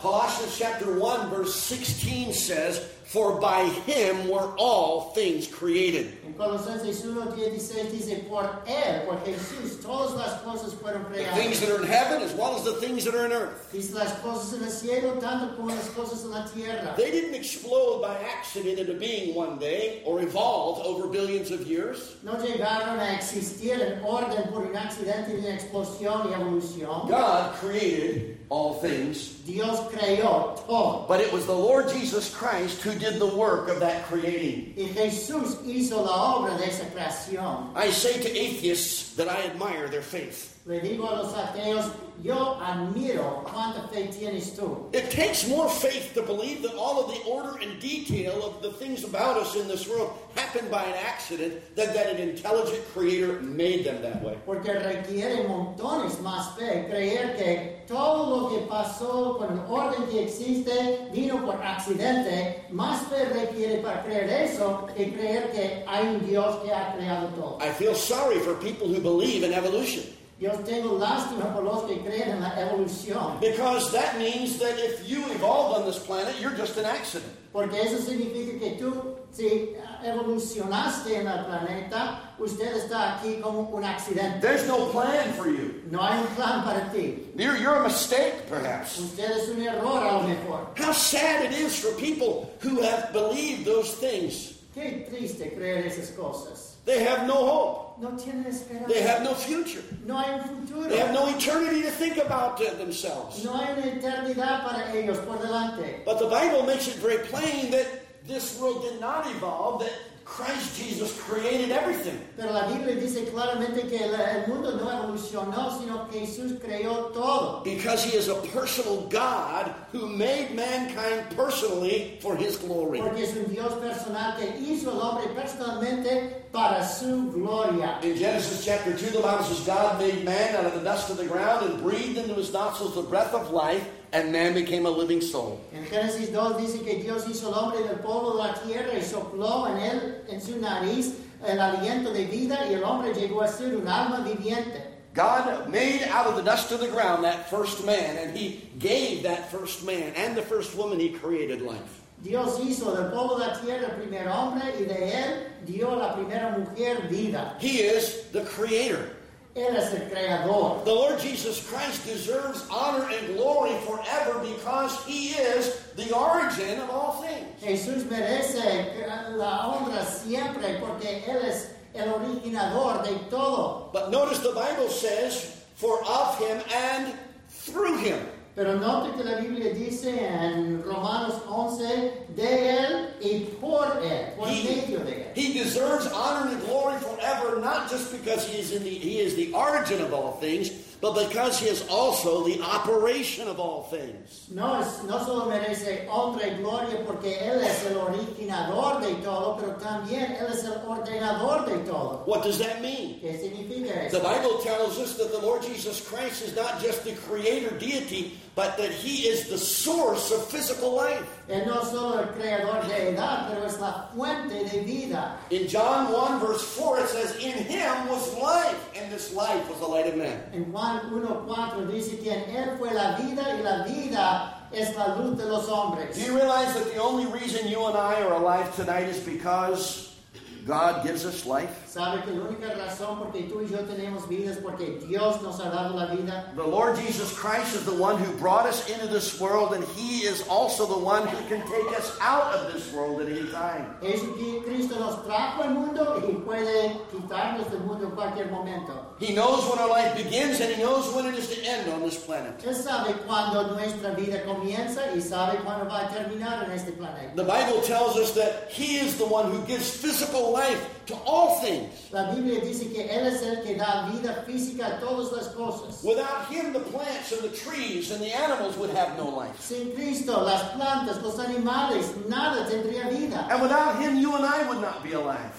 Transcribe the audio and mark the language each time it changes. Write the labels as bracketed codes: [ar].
[en] Colossians chapter 1, verse 16 says, for by Him were all things created. [es] En Colosenses 1:16 dice, por Él, por Jesús, todas las cosas fueron creadas. [en] The things that are in heaven as well as the things that are in earth. [es] Dice, las cosas en el cielo, tanto como las cosas en la tierra. [en] They didn't explode by accident into being one day or evolved over billions of years. [es] No llegaron a existir en orden por un accidente de explosión y evolución. [en] God created all things. [es] Dios creó todo. [en] But it was the Lord Jesus Christ who did the work of that creating. [es] Y Jesús hizo la obra de esa creación. [en] I say to atheists that I admire their faith. [es] Le digo a los ateos, yo admiro cuánta fe tienes tú. [en] It takes more faith to believe that all of the order and detail of the things about us in this world happened by an accident than that an intelligent creator made them that way. [es] Porque requiere montones más fe creer que todo lo que pasó por el orden que existe vino por accidente. Más fe requiere para creer eso que creer que hay un Dios que ha creado todo. [en] I feel sorry for people who believe in evolution. [es] Yo tengo lástima por los que creen en la evolución. [en] Because that means that if you evolved on this planet, you're just an accident. [es] Porque eso significa que tú, si evolucionaste en el planeta, usted está aquí como un accidente. [en] There's no plan for you. [es] No hay un plan para ti. [en] You're a mistake, perhaps. [es] Usted es un error, a lo mejor. [en] How sad it is for people who have believed those things. [es] Qué triste creer esas cosas. [en] They have no hope. [es] No tienen esperanza. [en] They have no future. [es] No hay un futuro. [en] They have no eternity to think about themselves. [es] No hay una eternidad para ellos por delante. [en] But the Bible makes it very plain that this world did not evolve, that Christ Jesus created everything. [es] Pero la Biblia dice claramente que el mundo no evolucionó, sino que Jesús creó todo. [en] Because He is a personal God who made mankind personally for His glory. [es] Porque es un Dios personal que hizo al hombre personalmente para su gloria. [en] In Genesis chapter 2, the Bible says, God made man out of the dust of the ground and breathed into his nostrils the breath of life, and man became a living soul. [es] En Génesis 2 dice que Dios hizo al hombre del polvo de la tierra y sopló en él, en su nariz, el aliento de vida, y el hombre llegó a ser un alma viviente. [en] God made out of the dust of the ground that first man, and He gave that first man and the first woman He created life. [es] Dios hizo del polvo de la tierra el primer hombre, y de él dio la primera mujer vida. [en] He is the creator. [es] Él es el creador. [en] The Lord Jesus Christ deserves honor and glory forever because He is the origin of all things. [es] Jesús merece la honra siempre porque Él es el originador de todo. [en] But notice the Bible says, for of Him and through Him. [es] Pero note que la Biblia dice en Romanos 11, de él y por él, por medio de él. [en] He deserves honor and glory forever, not just because he is the origin of all things, but because he is also the operation of all things. [es] No solo merece honra y gloria porque él es el originador de todo, pero también él es el ordenador de todo. [en] What does that mean? [es] ¿Qué significa eso? [en] The Bible tells us that the Lord Jesus Christ is not just the creator deity, but that he is the source of physical life. [es] Él no solo el creador de edad, pero es la fuente de vida. [en] In John 1, verse 4, it says, in him was life, and this life was the light of men. [es] En Juan 1, 4, dice que en él fue la vida, y la vida es la luz de los hombres. [en] Do you realize that the only reason you and I are alive tonight is because God gives us life? [es] ¿Sabe que la única razón porque tú y yo tenemos vida es porque Dios nos ha dado la vida? [en] The Lord Jesus Christ is the one who brought us into this world, and he is also the one who can take us out of this world at any time. [es] Jesucristo nos trajo al mundo y puede quitarnos del mundo en cualquier momento. [en] He knows when our life begins and he knows when it is to end on this planet. [es] Él sabe cuándo nuestra vida comienza y sabe cuándo va a terminar en este planeta. [en] The Bible tells us that he is the one who gives physical life to all things. [es] La Biblia dice que él es el que da vida física a todas las cosas. [en] Without him, the plants and the trees and the animals would have no life. [es] Sin Cristo, las plantas, los animales, nada tendría vida. [en] And without him, you and I would not be alive.